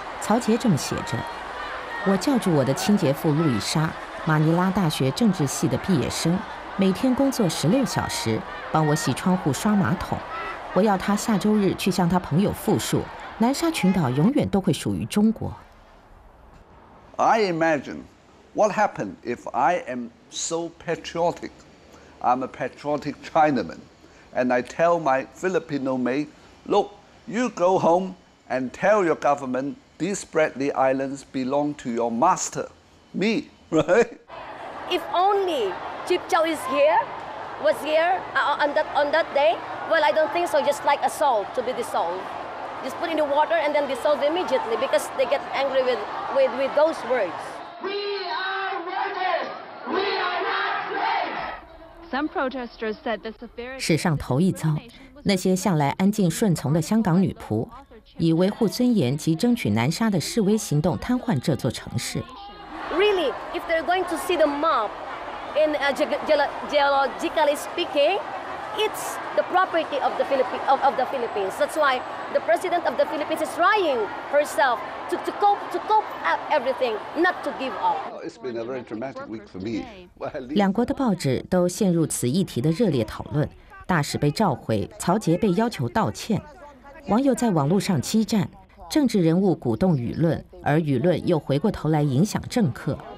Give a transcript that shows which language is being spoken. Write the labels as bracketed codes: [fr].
[zh] 曹杰这么写着，我叫住我的清洁妇路易莎，马尼拉大学政治系的毕业生，每天工作16小时，帮我洗窗户刷马桶。我要她下周日去向她朋友复述，南沙群岛永远都会属于中国。 [en] I imagine what happened if I am so patriotic. I'm a patriotic Chinaman. And I tell my Filipino mate, look, you go home and tell your government,These Spratly Islands belong to your master, me, right? If only Chip Chow is here, was here on that day, well, I don't think so, just like a salt to be dissolved. Just put in the water and then dissolve immediately because they get angry with those words. We are workers, we are not slaves. Some protesters said the severity... [zh] 史上头一遭，那些向来安静顺从的香港女仆以维护尊严及争取南沙的示威行动瘫痪这座城市。 [en] Really, if they're going to see the mob, in geologically speaking, it's the property of the Philippines. Of the Philippines. That's why the president of the Philippines is trying herself to cope up everything, not to give up. It's been a very dramatic week for me. [zh] 两国的报纸都陷入此议题的热烈讨论。大使被召回，曹杰被要求道歉，网友在网络上激战，政治人物鼓动舆论，而舆论又回过头来影响政客。